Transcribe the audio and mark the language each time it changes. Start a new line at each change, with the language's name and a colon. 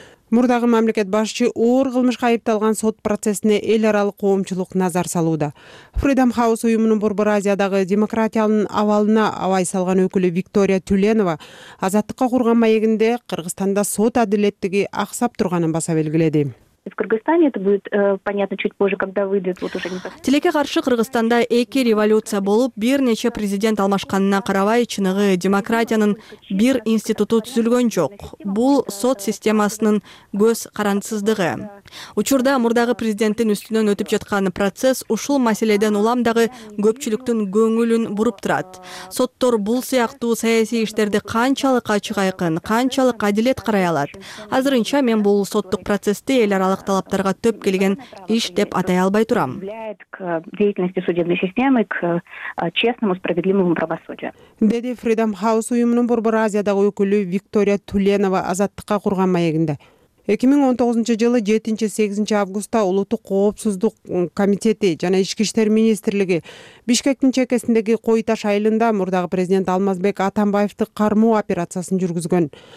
Kyrgyz: Мурдагы мамлекет башчы оор кылмышка айыпталган сот процессине эл аралык коомчулук назар салууда. Freedom House уюмунун Борбор Азиядагы демократиянын абалына абай салган өкүлү Виктория Түленова азаттыкка курган маегинде Кыргызстанда сот адилеттиги аксап турганын баса белгиледи.
Russian: В Кыргызстане это будет понятно чуть позже, когда выйдет вот уже непосредственно.
Kyrgyz: Тилекке каршы Кыргызстанда эки революция болуп, бир нече президент алмашканына карабай чыныгы демократиянын бир институту түзүлгөн жок. Бул сот системасынын көз карансыздыгы. Учурда мурдагы президенттин үстүнөн өтүп жаткан процесс ушул маселеден улам дагы көпчүлүктүн көңүлүн буруп турат. Соттор бул сыяктуу саясий иштерди канчалык ачык айкын, канчалык адилет карай алат? Азырынча мен бул соттук процессти эл аралык талаптарга төп келген иш деп атай албай турам.
Russian: К деятельности судебной системы, к честному, справедливому правосудию.
Kyrgyz: Деди Freedom House уюмунун Борбор Азиядагы өкүлү Виктория Түленова азаттыкка курган маегинде. 2019 жылы 7-8 августта Улуттук Коопсуздук Комитети жана Ички иштер Министрлиги Бишкектин чекесиндеги Кой Таш айылында мурдагы президент Алмазбек Атамбаевди кармоо операциясын жүргүзгөн.